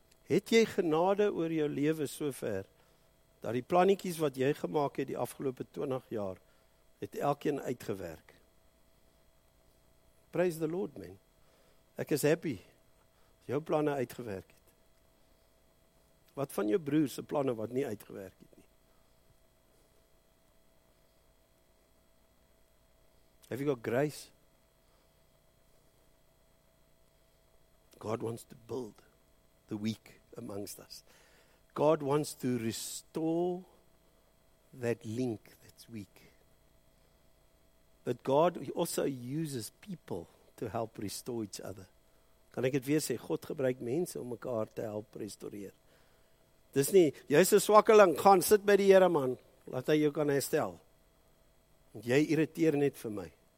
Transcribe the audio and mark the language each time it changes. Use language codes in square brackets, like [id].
[af] Het jy genade oor jou lewe so ver, dat die plannetjies wat jy gemaak het die afgelope 20 jaar, het elkeen uitgewerk? [en] Praise the Lord, man. [af] Ek is happy, jou planne uitgewerk het. Wat van jou broers se planne wat nie uitgewerk het nie? [en] Have you got grace? God wants to build the weak amongst us. God wants to restore that link that's weak. But God also uses people to help restore each other. [af] Kan ek dit weer sê? God gebruik mense om mekaar te help restoreer. Dis nie, jy's 'n swakkeling, gaan sit by die Here man, laat hy jou kan herstel. Want jy irriteer net vir my.